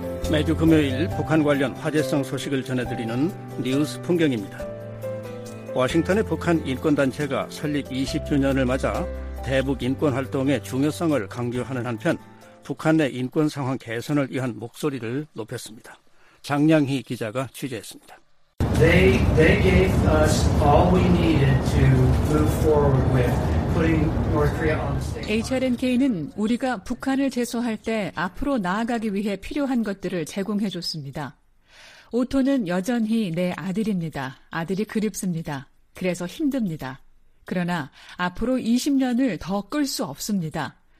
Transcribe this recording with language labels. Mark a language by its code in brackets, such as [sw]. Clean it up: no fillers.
[ko] 매주 금요일 북한 관련 화제성 소식을 전해드리는 뉴스 풍경입니다. 워싱턴의 북한 인권단체가 설립 20주년을 맞아 대북 인권활동의 중요성을 강조하는 한편 북한 내 인권 상황 개선을 위한 목소리를 높였습니다. 장량희 기자가 취재했습니다. [en] They gave us all we needed to move forward with. [ko] HRNK는 우리가 북한을 제소할 때 앞으로 나아가기 위해 필요한 것들을 제공해 줬습니다. 오토는 여전히 내 아들입니다. 아들이 그립습니다. 그래서 힘듭니다. 그러나 앞으로 20년을 더 끌 수 없습니다.